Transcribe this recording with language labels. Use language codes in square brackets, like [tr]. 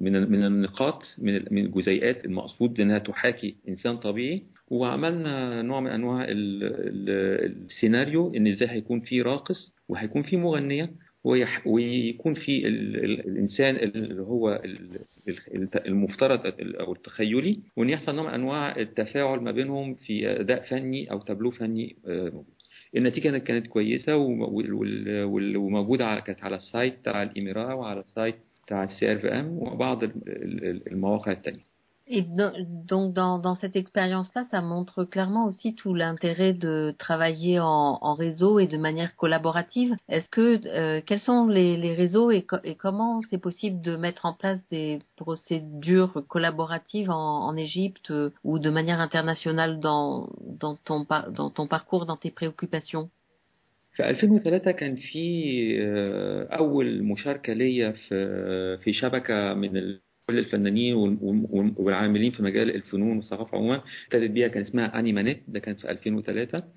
[ar] من النقاط من الجزيئات المقصود إنها تحاكي إنسان طبيعي، وعملنا نوع من أنواع السيناريو إن إزاي هيكون فيه راقص وهيكون فيه مغنية ويكون في الإنسان اللي هو المفترض أو التخيلي، وإن يحصل نوع أنواع التفاعل ما بينهم في أداء فني أو تابلو فني. النتيجة كانت كويسة وموجودة كانت على السايت بتاع الإمارة وعلى السايت بتاع السي ار في ام وبعض المواقع التانية. [fr] Et donc dans cette expérience-là, ça montre clairement aussi tout l'intérêt de travailler en réseau et de manière collaborative. Est-ce que quels sont les réseaux et comment c'est possible de mettre en place des procédures collaboratives en Égypte ou de manière internationale dans ton parcours, dans tes préoccupations? [ar] في 2003 كان في أول مشاركة ليا في شبكة من كل الفنانين والعاملين في مجال الفنون والثقافة عموما، ابتدت بيها كان اسمها أنيما نت، ده كان في 2003.